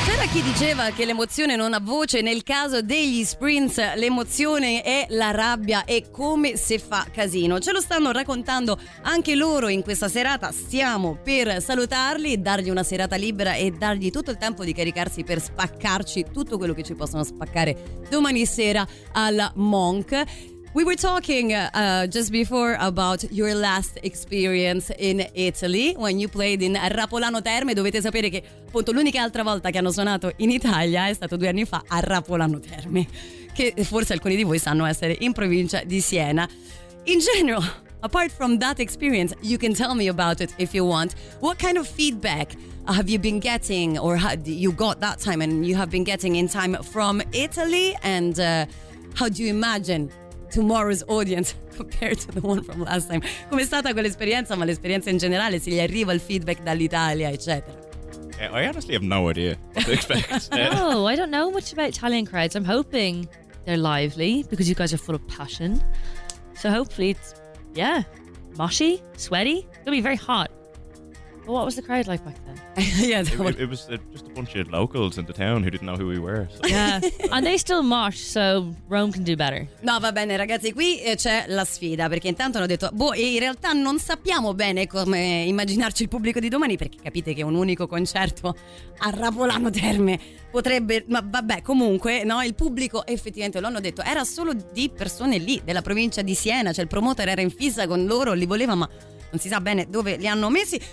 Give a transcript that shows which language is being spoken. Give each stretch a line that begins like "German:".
Italian: chi diceva che l'emozione non ha voce. Nel caso degli Sprints l'emozione è la rabbia, e come se fa casino. Ce lo stanno raccontando anche loro in questa serata. Stiamo per salutarli, dargli una serata libera e dargli tutto il tempo di caricarsi per spaccarci tutto quello che ci possono spaccare domani sera alla Monk.
English: We were talking just before about your last experience in Italy when you played in Rapolano Terme.
Italian: Dovete sapere che appunto l'unica altra volta che hanno suonato in Italia è stato 2 anni fa a Rapolano Terme, che forse alcuni di voi sanno essere in provincia di Siena.
English: In general, apart from that experience, you can tell me about it if you want. What kind of feedback have you been getting, or had you got that time and you have been getting in time from Italy, and how do you imagine tomorrow's audience compared to the one from last time?
Italian: Come è stata quell'esperienza, ma l'esperienza in generale, se gli arriva il feedback dall'Italia, eccetera.
English: I honestly have no idea what to expect. No, I don't know much about Italian crowds. I'm hoping they're lively because you guys are full of passion. So hopefully it's, yeah, moshy, sweaty. It'll be very hot. But what was the crowd like back then? it was just a bunch of locals in the town who didn't know who we were. So. Yeah, and they still mosh, so Rome can do better.
Italian: No, va bene ragazzi, qui c'è la sfida, perché intanto hanno detto, in realtà non sappiamo bene come immaginarci il pubblico di domani, perché capite che un unico concerto a Rapolano Terme potrebbe, ma vabbè, comunque, no, il pubblico effettivamente, l'hanno detto, era solo di persone lì, della provincia di Siena, cioè il promoter era in fissa con loro, li voleva, ma non si sa bene dove li hanno messi.